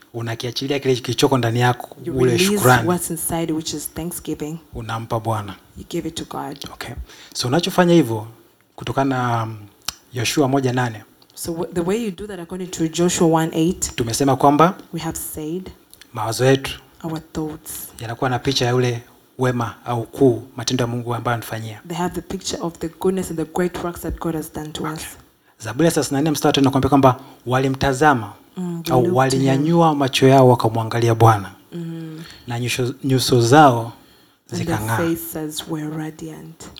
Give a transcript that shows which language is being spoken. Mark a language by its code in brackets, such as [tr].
[sw] Unakiachilia kile kilichoko ndani yako ule shukrani. [en] What's inside which is thanksgiving. [sw] Unampa Bwana. [en] You give it to God. [sw] Okay. So unachofanya hivyo kutokana na Yoshua 1:8. [en] So the way you do that according to Joshua 1:8. [sw] Tumesema kwamba [en] we have said [sw] mawazo yetu, [en] our thoughts, [sw] yanakuwa na picha ya ule wema au kuu matendo ya Mungu ambayo anafanyia. [en] They have the picture of the goodness and the great works that God has done to us. [sw] Zaburi 34 mstari 5 inakuambia kwamba walimtazama au walinyanyua macho yao wakamwangalia Bwana. Na nyuso zao zikang'aa. [en] Their faces were radiant.